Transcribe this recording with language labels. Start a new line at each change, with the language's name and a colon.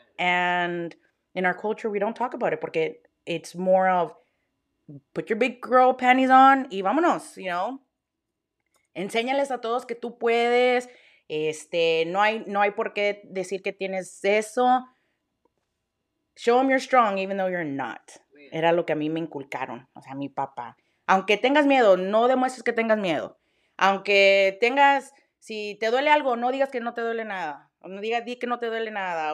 English: And in our culture, we don't talk about it porque it's more of put your big girl panties on y vámonos, you know.
Spanish: Enséñales a todos que tú puedes. No hay por qué decir que tienes eso.
English: Show them you're strong even though you're not.
Spanish: Era lo que a mí me inculcaron, o sea, mi papá. Aunque tengas miedo, no demuestres que tengas miedo. Aunque tengas, si te duele algo, no digas que no te duele nada. No digas, di que no te duele nada.